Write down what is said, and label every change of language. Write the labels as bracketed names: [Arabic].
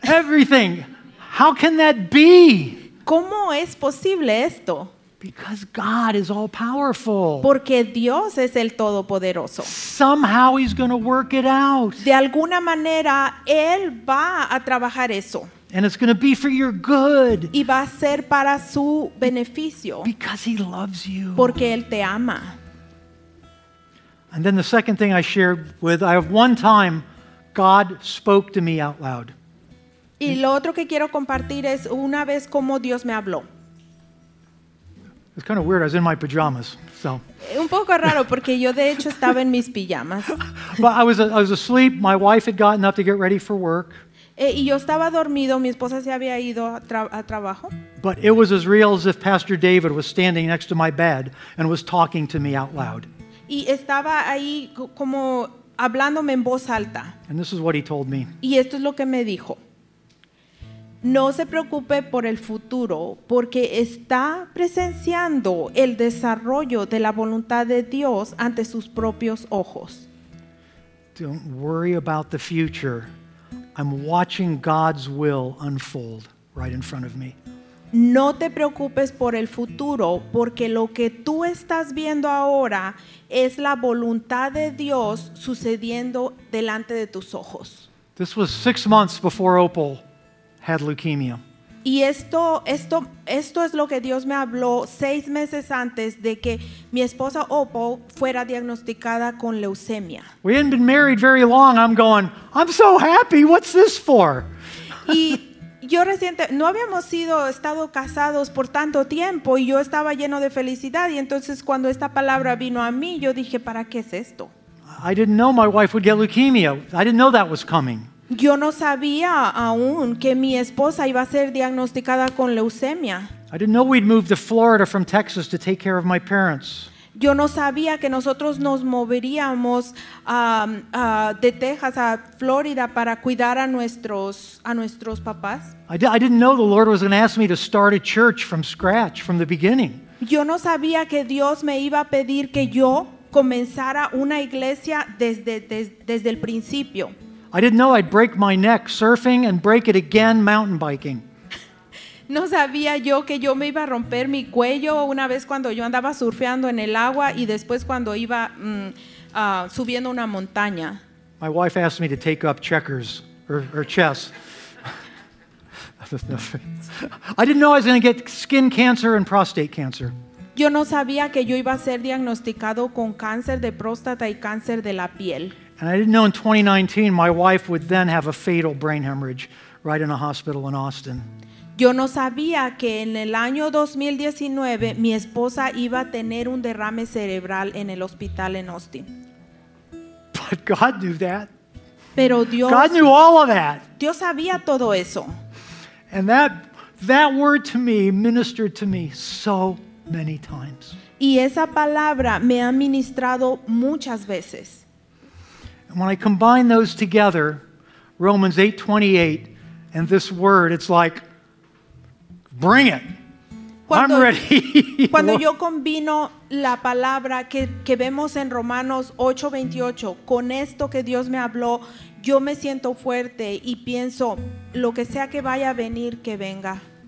[English] Everything. How can that be? [Spanish] ¿Cómo es posible esto? [English] Because God is all powerful. [Spanish] Porque Dios es el todopoderoso. [English] Somehow he's going to work it out. [Spanish] De alguna manera él va a trabajar eso. [English] And it's going to be for your good. [Spanish] Y va a ser para su beneficio. [English] Because he loves you. [Spanish] Porque él te ama. [English] And then the second thing I shared with, I have one time God spoke to me out loud. [Spanish] Y lo otro que quiero compartir es una vez como Dios me habló. [English] It's kind of weird. I was in my pajamas, so. [Spanish] Un poco raro porque yo de hecho estaba en mis pijamas. [English] But I was asleep. My wife had gotten up to get ready for work. [Spanish] Y yo estaba dormido. Mi esposa se había ido a trabajo. [English] But it was as real as if Pastor David was standing next to my bed and was talking to me out loud. [Spanish] Y estaba ahí como hablándome en voz alta. [English] And this is what he told me. [Spanish] Y esto es lo que me dijo. No se preocupe por el futuro, porque está presenciando el desarrollo de la voluntad de Dios ante sus propios ojos. [English] Don't worry about the future. I'm watching God's will unfold right in front of me. [Spanish] No te preocupes por el futuro, porque lo que tú estás viendo ahora es la voluntad de Dios sucediendo delante de tus ojos. [English] This was 6 months before Opal had leukemia. [Spanish] Y esto es lo que Dios me habló 6 meses antes de que mi esposa Opal fuera diagnosticada con leucemia. [English] We hadn't been married very long. I'm going, I'm so happy. What's this for? [Spanish] Y yo reciente no habíamos sido estado casados por tanto tiempo y yo estaba lleno de felicidad y entonces cuando esta palabra vino a mí yo dije, ¿para qué es esto? [English] I didn't know my wife would get leukemia. I didn't know that was coming. [Spanish] Yo no sabía aún que mi esposa iba a ser diagnosticada con leucemia. [English] I didn't know we'd move to Florida from Texas to take care of my parents. [Spanish] Yo no sabía que nosotros nos moveríamos de Texas a Florida para cuidar a nuestros papás. [English] I didn't know the Lord was going to ask me to start a church from scratch, from the beginning. [Spanish] Yo no sabía que Dios me iba a pedir que yo comenzara una iglesia desde el principio. [English] I didn't know I'd break my neck surfing and break it again mountain biking. [Spanish] No sabía yo que yo me iba a romper mi cuello una vez cuando yo andaba surfeando en el agua y después cuando iba subiendo una montaña. [English] My wife asked me to take up checkers or chess. I didn't know I was going to get skin cancer and prostate cancer. [Spanish] Yo no sabía que yo iba a ser diagnosticado con cáncer de próstata y cáncer de la piel. [English] And I didn't know in 2019 my wife would then have a fatal brain hemorrhage right in a hospital in Austin. [Spanish] Yo no sabía que en el año 2019 mi esposa iba a tener un derrame cerebral en el hospital en Austin. [English] But God knew that. [Spanish] Pero Dios, [English] God knew all of that. [Spanish] Dios sabía todo eso. [English] And that word to me ministered to me so many times. [Spanish] Y esa palabra me ha ministrado muchas veces. [English] And when I combine those together, Romans 8:28, and this word, it's like, bring it. I'm ready. [Spanish] Cuando yo combino la palabra que vemos en Romanos 8:28 con esto que Dios me habló, yo me siento fuerte y pienso lo que sea que vaya a venir, que venga.